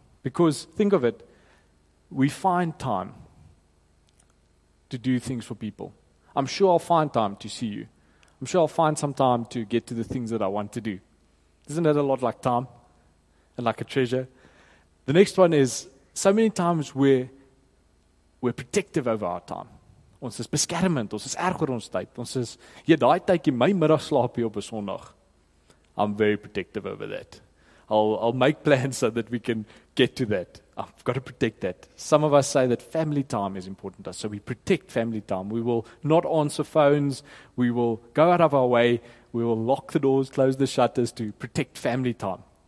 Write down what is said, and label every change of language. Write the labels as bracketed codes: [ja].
[en] Because think of it, we find time to do things for people. I'm sure I'll find time to see you. I'm sure I'll find some time to get to the things that I want to do. Isn't that a lot like time and like a treasure? The next one is, so many times we're protective over our time. [af] Ons is beskermend, ons is erg oor ons tyd. Ons is, ja, daai tydjie my middag slaapie op 'n Sondag. [en] I'm very protective over that. I'll make plans so that we can get to that. I've got to protect that. Some of us say that family time is important to us, so we protect family time. We will not answer phones. We will go out of our way. We will lock the doors, close the shutters to protect family time.